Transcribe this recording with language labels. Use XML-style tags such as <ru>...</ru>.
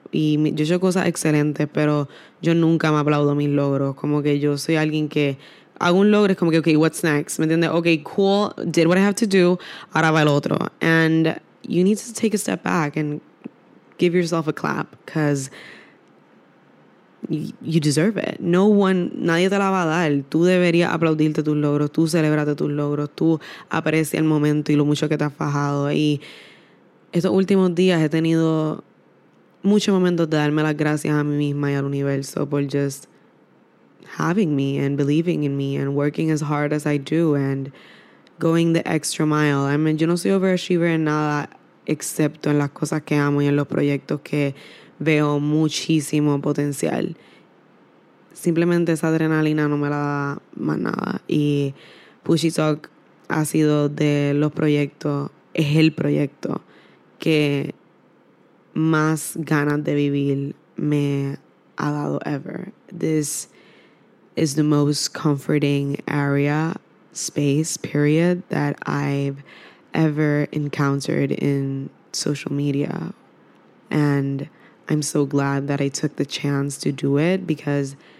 <es>Y yo he hecho cosas excelentes, pero yo nunca me aplaudo mis logros. Como que yo soy alguien que hago un logro, es como que,</es> <en>okay, what's next?</en> <es>¿Me entiendes?</es> <en>Okay, cool, did what I have to do,</en> <es>ahora va el otro.</es> <en>And you need to take a step back and give yourself a clap because you deserve it. No one,</en> <es>nadie te la va a dar. Tú deberías aplaudirte tus logros. Tú celebrate tus logros. Tú aprecia el momento y lo mucho que te has fajado. Y estos últimos días he tenido muchos momentos de darme las gracias a mí misma y al universo por</es> <en>just having me and believing in me and working as hard as I do and going the extra mile. I mean,</en> <es>yo no soy overachiever en nada, excepto en las cosas que amo y en los proyectos que veo muchísimo potencial. Simplemente esa adrenalina no me la da más nada. Y Pushy Talk ha sido de los proyectos, es el proyecto que más ganas de vivir me ha dado ever.</es> <en>This is the most comforting area, space, period, that I've ever encountered in social media, and I'm so glad that I took the chance to do it because</en>